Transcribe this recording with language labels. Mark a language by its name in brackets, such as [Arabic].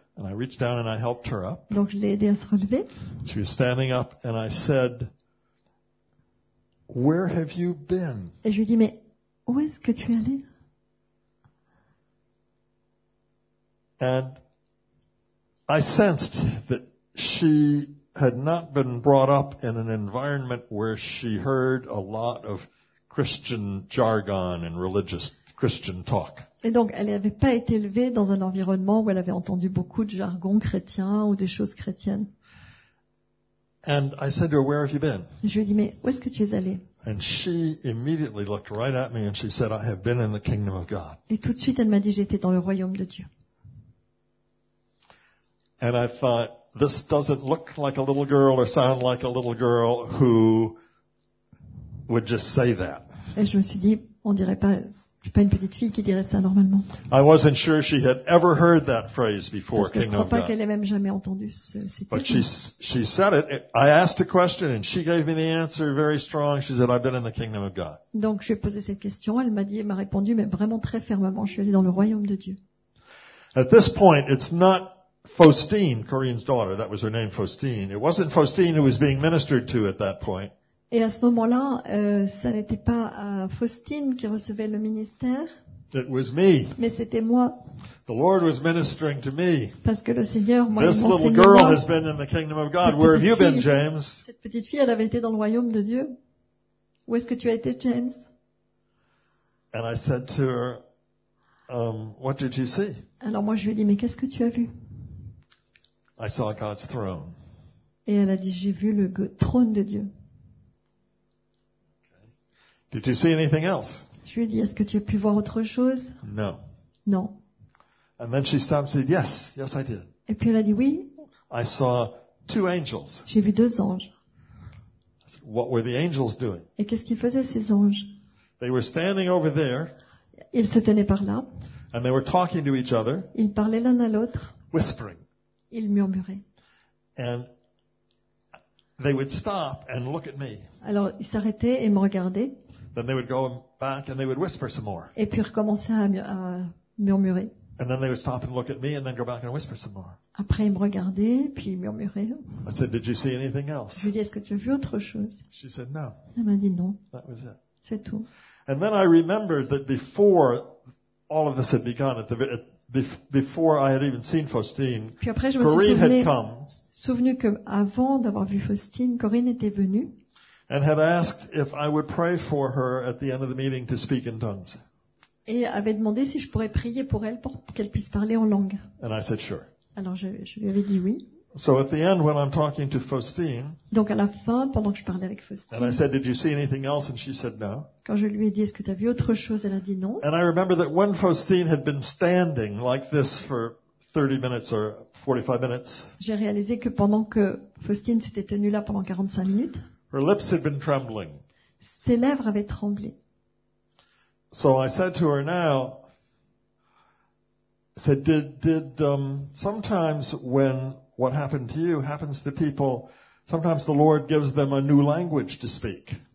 [English] And I reached down and I helped her up. [French] Donc je l'ai aidée à se relever. [English] She was standing up and I said, "Where have you been?" [French] Et je lui dis, mais où est-ce que tu es allée? [English] And I sensed that she had not been brought up in an environment where she heard a lot of Christian jargon and religious Christian talk. [French] Et donc, elle n'avait pas été élevée dans un environnement où elle avait entendu beaucoup de jargon chrétien ou des choses chrétiennes. [English] And I said to her, "Where have you been?" [French] Je lui ai dit, mais où est-ce que tu es allée? [English] And she immediately looked right at me and she said, "I have been in the kingdom of God." [French] Et tout de suite, elle m'a dit, j'étais dans le royaume de Dieu. [English] And I thought, this doesn't look like a little girl or sound like a little girl who would just say that. [French] Et je me suis dit, on dirait pas. C'est pas une petite fille qui dirait ça normalement. [English] I wasn't sure she had ever heard that phrase before. [French] Parce que je crois pas qu'elle ait même jamais entendu ce terme. [English] But she said it. I asked a question and she gave me the answer very strong. She said, "I've been in the kingdom of God." [French] Donc je lui ai posé cette question. Elle m'a dit, elle m'a répondu, mais vraiment très fermement, je suis allée dans le royaume de Dieu. [English] At this point, it's not Faustine, Corinne's daughter. That was her name, Faustine. It wasn't Faustine who was being ministered to at that point. [French] Et à ce moment-là, ça n'était pas Faustine qui recevait le ministère. [English] It was me. [French] Mais c'était moi. [English] The Lord was ministering to me. [French] Parce que le Seigneur m'a enseigné. [English] This little girl has been in the kingdom of God. Where have you been, James? [French] Cette petite fille, elle avait été dans le royaume de Dieu. Où est-ce que tu as été, James? [English] And I said to her, "What did you see?" [French] Alors moi, je lui ai dit, mais qu'est-ce que tu as vu? [English] I saw God's throne. [French] Et elle a dit, j'ai vu le trône de Dieu. [English] Did you see anything else? [French] Je lui ai dit, est-ce que tu as pu voir autre chose? [English] No. [French] Non. [English] And then she stopped and said, "Yes, yes, I did." [French] Et puis elle a dit oui. [English] I saw two angels. [French] J'ai vu deux anges. [English] What were the angels doing? [French] Et qu'est-ce qu'ils faisaient ces anges? [English] They were standing over there. [French] Ils se tenaient par là. [English] And they were talking to each other. [French] Ils parlaient l'un à l'autre. [English] Whispering. [French] Ils murmuraient. [English] And they would stop and look at me. [French] Alors ils s'arrêtaient et me regardaient. [English] Then they would go back and they would whisper some more. [French] Et puis recommencer à murmurer. [English] And then they would stop and look at me and then go back and whisper some more. [French] Après ils me regardaient puis murmuraient. [English] I said, "Did you see anything else?" [French] Je lui ai dit, est-ce que tu as vu autre chose? [English] She said, "No." [French] Elle m'a dit non. [English] That was it. [French] C'est tout. [English] And then I remembered that before all of this had begun, before I had even seen Faustine, [French] puis après, je Corinne me suis [English] had come. [French] Souvenu que avant d'avoir vu Faustine, Corinne était venue. [English] And had asked if I would pray for her at the end of the meeting to speak in tongues. [French] Et avait demandé si je pourrais prier pour elle pour qu'elle puisse parler en langue. [English] And I said sure. [French] Alors je lui avais dit oui. [English] So at the end when I'm talking to Faustine. [French] Donc à la fin pendant que je parlais avec Faustine. [English] And I said, "Did you see anything else?" And she said no. [French] Quand je lui ai dit, est-ce que tu as vu autre chose? Elle a dit non. [English] And I remember that when Faustine had been standing like this for 30 minutes or 45 minutes. [French] J'ai réalisé que pendant que Faustine s'était tenue là pendant 45 minutes. [English] Her lips had been trembling. [French] Ses lèvres avaient tremblé. [English] So I said to her now, I said, did sometimes when what happened to you happens to people, sometimes the Lord gives them a new language to speak.